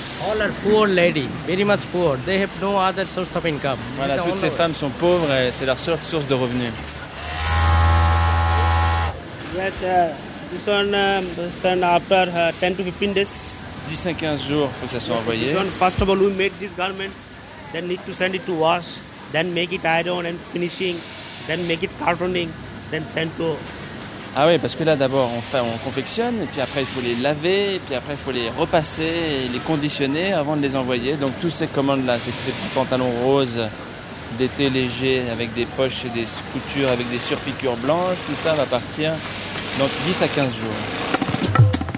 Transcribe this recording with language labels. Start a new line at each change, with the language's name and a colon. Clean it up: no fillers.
English: All are poor lady, very much poor. They have no other source of income.
French: Voilà, toutes ces femmes sont pauvres et c'est leur seule source de revenus.
English: Yes, this one, after 10 to 15 days.
French: 10 à 15 jours, il faut que ça soit envoyé.
English: This one, first of all, we make these garments, then need to send it to wash, then make it iron and finishing, then make it cartoning, then send to.
French: Ah oui, parce que là, d'abord, on confectionne, et puis après, il faut les laver, et puis après, il faut les repasser et les conditionner avant de les envoyer. Donc, toutes ces commandes-là, c'est tous ces petits pantalons roses d'été légers avec des poches et des coutures, avec des surpiqûres blanches, tout ça va partir dans 10 à 15 jours.